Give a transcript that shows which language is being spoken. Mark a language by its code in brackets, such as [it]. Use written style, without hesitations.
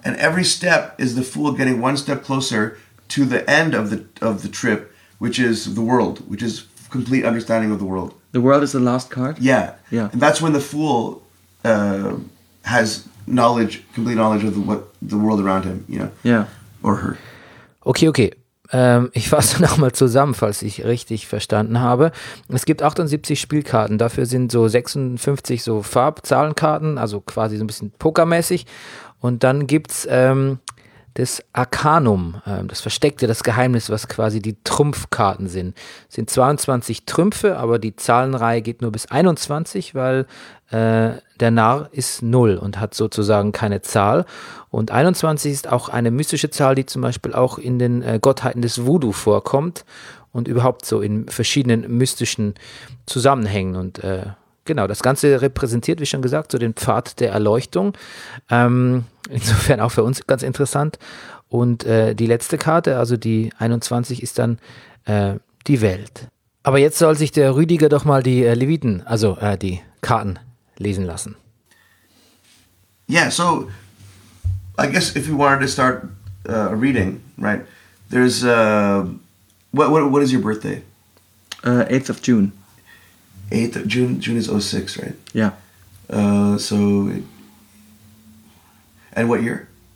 [en] And every step is the Fool getting one step closer to the end of the trip, which is the world, which is complete understanding of the world. The world is the last card? Yeah. Yeah. And that's when the Fool has knowledge, complete knowledge of what the world around him, you know. Yeah. Or her. Okay. [de] Ich fasse nochmal zusammen, falls ich richtig verstanden habe. Es gibt 78 Spielkarten, dafür sind so 56 so Farbzahlenkarten, also quasi so ein bisschen pokermäßig. Und dann gibt's des Arcanum, das Versteckte, das Geheimnis, was quasi die Trumpfkarten sind. Es sind 22 Trümpfe, aber die Zahlenreihe geht nur bis 21, weil der Narr ist 0 und hat sozusagen keine Zahl. Und 21 ist auch eine mystische Zahl, die zum Beispiel auch in den Gottheiten des Voodoo vorkommt und überhaupt so in verschiedenen mystischen Zusammenhängen. Und genau, das Ganze repräsentiert, wie schon gesagt, so den Pfad der Erleuchtung. Insofern auch für uns ganz interessant. Und die letzte Karte, also die 21, ist dann die Welt. Aber jetzt soll sich der Rüdiger doch mal die Leviten, also die Karten lesen lassen. [en] Yeah, so I guess if you wanted to start reading, right? There's what is your birthday? 8th of June. 8th of June, June is 06, right? Yeah. And what year?